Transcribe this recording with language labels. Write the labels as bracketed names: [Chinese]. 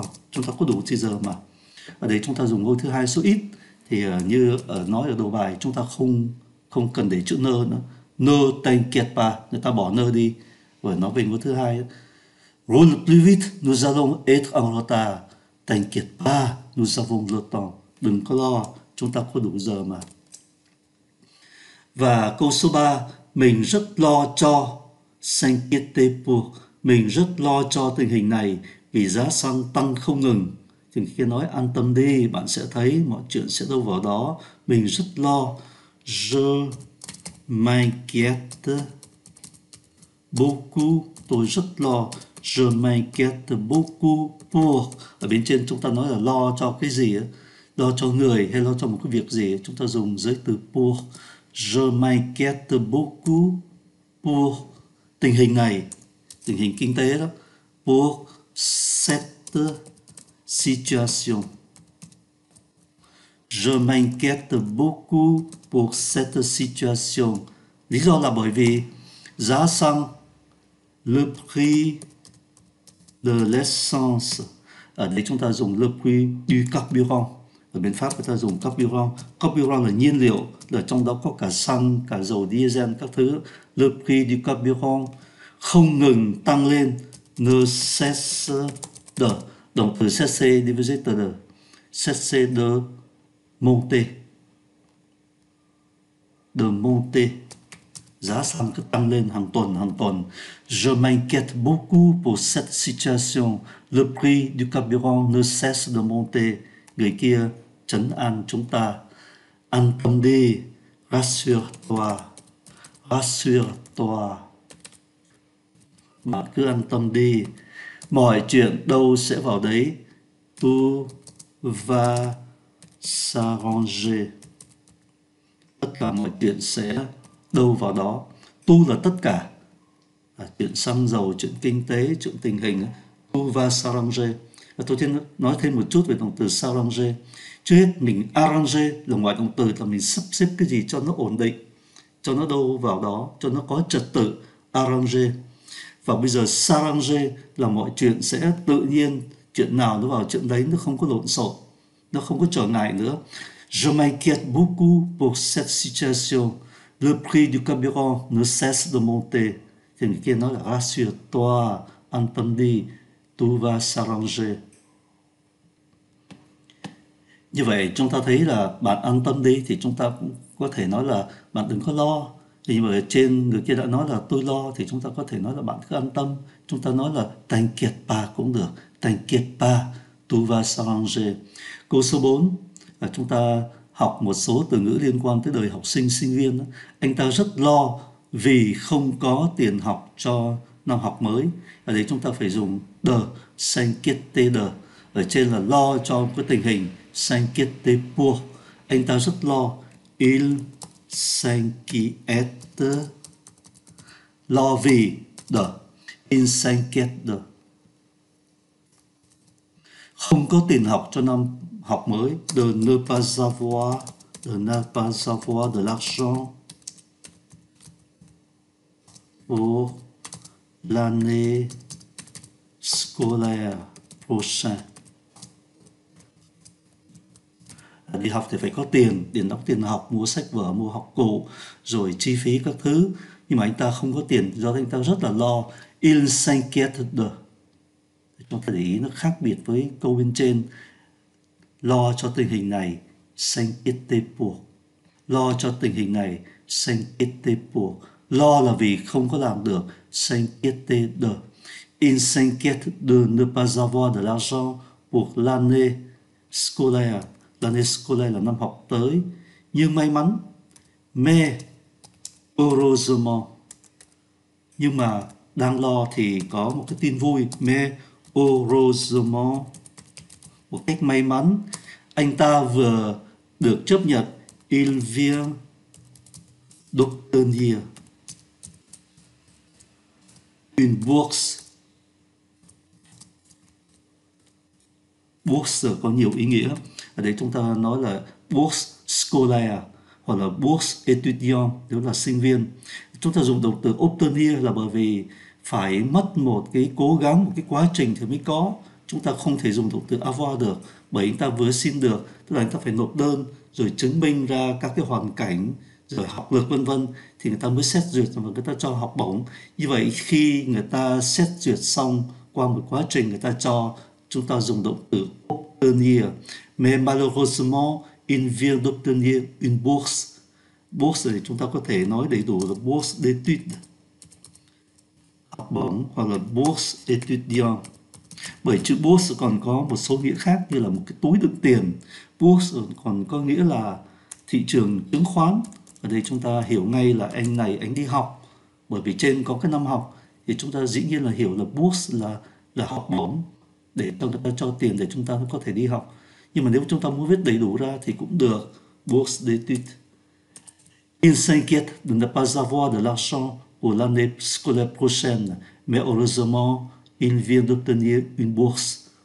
[Vietnamese] Chúng ta có đủ thời giờ mà. Ở đây chúng ta dùng ngôi thứ hai số ít, thì như ở nói ở đầu bài chúng ta không không cần để chữ nơ nữa. Nơ [French] t'inquiète pas, [Vietnamese] người ta bỏ nơ đi. Và nói về ngôi thứ hai, [French] Roule plus vite, nous allons être en retard. T'inquiète pas, nous avons le temps. [Vietnamese] Đừng có lo, chúng ta có đủ giờ mà. Và câu số 3, mình rất lo cho, [French] s'inquiéter pour. [Vietnamese] Mình rất lo cho tình hình này vì giá xăng tăng không ngừng. Thì khi nói an tâm đi, bạn sẽ thấy mọi chuyện sẽ đâu vào đó. Mình rất lo. [French] Je m'inquiète beaucoup. [Vietnamese] Tôi rất lo. [French] Je m'inquiète beaucoup pour. [Vietnamese] Ở bên trên chúng ta nói là lo cho cái gì, lo cho người hay lo cho một cái việc gì, chúng ta dùng giới từ pour. [French] Je m'inquiète beaucoup pour [Vietnamese] tình hình này, tình hình kinh tế đó. [French] Pour cette situation. Je m'inquiète beaucoup pour cette situation. [Vietnamese] Lý do là bởi vì giá xăng, [French] le prix de l'essence. [Vietnamese] Ở đây chúng ta dùng [French] le prix du carburant. [Vietnamese] Ở bên Pháp người ta dùng carburant. Carburant là nhiên liệu, là trong đó có cả xăng, cả dầu diesel, các thứ. [French] Le prix du carburant. [Vietnamese] không ngừng tăng lên, [French] ne cesse de, [Vietnamese] động từ cesse đi với giấy tờ de, [French] cesse de monter, [Vietnamese] giá xăng cứ tăng lên hàng tuần hàng tuần. [French] Je m'inquiète beaucoup pour cette situation. Le prix du carburant ne cesse de monter. [Vietnamese] Người kia trấn an chúng ta. An tâm đi. [French] Rassure-toi. Rassure-toi. [Vietnamese] Bạn cứ an tâm đi. Mọi chuyện đâu sẽ vào đấy. [French] Tout va s'arranger. [Vietnamese] Tất cả mọi chuyện sẽ đâu vào đó. Tu là tất cả. Chuyện xăng dầu, chuyện kinh tế, chuyện tình hình. [French] Tu va s'arranger. [Vietnamese] Tôi xin nói thêm một chút về động từ s'arranger. Trước hết, mình arranger là ngoại động từ, là mình sắp xếp cái gì cho nó ổn định, cho nó đâu vào đó, cho nó có trật tự. Arranger. Và bây giờ s'arranger là mọi chuyện sẽ tự nhiên, chuyện nào nó vào chuyện đấy, nó không có lộn xộn, nó không có trở ngại nữa. [French] Je m'inquiète beaucoup pour cette situation. Le prix du carburant ne cesse de monter. [Vietnamese] Thì người kia nói là [French] rassure-toi, [Vietnamese] an tâm đi, [French] tout va s'arranger. [Vietnamese] Như vậy chúng ta thấy là bạn an tâm đi thì chúng ta cũng có thể nói là bạn đừng có lo. Nhưng mà trên người kia đã nói là tôi lo thì chúng ta có thể nói là bạn cứ an tâm. Chúng ta nói là [French] t'inquiète pas [Vietnamese] cũng được. [French] T'inquiète pas, tout va s'arranger. [Vietnamese] Câu số 4 là chúng ta học một số từ ngữ liên quan tới đời học sinh, sinh viên đó. Anh ta rất lo vì không có tiền học cho năm học mới. Ở đây chúng ta phải dùng de, [French] s'inquiéter de. [Vietnamese] Ở trên là lo cho cái tình hình, [French] s'inquiéter pour. [Vietnamese] Anh ta rất lo, [French] il s'inquiète. [Vietnamese] Lo vì [French] de, il s'inquiète de. [Vietnamese] Không có tiền học cho năm học mới. [French] De ne pas avoir, de l'argent pour l'année scolaire prochaine. [Vietnamese] Đi học thì phải có tiền, tiền đóng tiền học, mua sách vở, mua học cụ, rồi chi phí các thứ. Nhưng mà anh ta không có tiền, do anh ta rất là lo. [French] Il s'inquiète de. [Vietnamese] Chúng ta để ý nó khác biệt với câu bên trên. Lo cho tình hình này, [French] s'inquiéter pour. [Vietnamese] Lo cho tình hình này, [French] s'inquiéter pour. [Vietnamese] Lo là vì không có làm được, [French] s'inquiéter de. Il s'inquiète de ne pas avoir de l'argent pour l'année scolaire. L'année scolaire [Vietnamese] là năm học tới. Nhưng may mắn, [French] mais heureusement. [Vietnamese] Nhưng mà đang lo thì có một cái tin vui, [French] mais heureusement. [Vietnamese] Một cách may mắn, anh ta vừa được chấp nhận. [French] Il vient d'obtenir une bourse. [Vietnamese] Bourse có nhiều ý nghĩa. Ở đây chúng ta nói là [French] bourse scolaire [Vietnamese] hoặc là [French] bourse étudiant [Vietnamese] nếu là sinh viên. Chúng ta dùng động từ obtenir là bởi vì phải mất một cái cố gắng, một cái quá trình thì mới có. Chúng ta không thể dùng động từ avoir được bởi anh ta vừa xin được, tức là anh ta phải nộp đơn rồi chứng minh ra các cái hoàn cảnh rồi học lực vân vân thì người ta mới xét duyệt và người ta cho học bổng. Như vậy khi người ta xét duyệt xong qua một quá trình người ta cho, chúng ta dùng động từ obtenir. [French] Mais malheureusement, il vient d'obtenir une bourse. [Vietnamese] Bourse thì chúng ta có thể nói đầy đủ là [French] bourse d'études. [Vietnamese] Học bổng hoặc là [French] bourse étudiant. [Vietnamese] Bởi chữ bourse còn có một số nghĩa khác như là một cái túi đựng tiền. Bourse còn có nghĩa là thị trường chứng khoán. Ở đây chúng ta hiểu ngay là anh này anh đi học. Bởi vì trên có cái năm học thì chúng ta dĩ nhiên là hiểu là bourse là học bổng để cho người ta cho tiền để chúng ta có thể đi học. Nhưng mà nếu chúng ta muốn viết đầy đủ ra thì cũng được. [French] Bourse d'études. Il s'inquiète de ne pas avoir de l'argent pour l'année scolaire prochaine. Mais heureusement, il vient d'obtenir une bourse.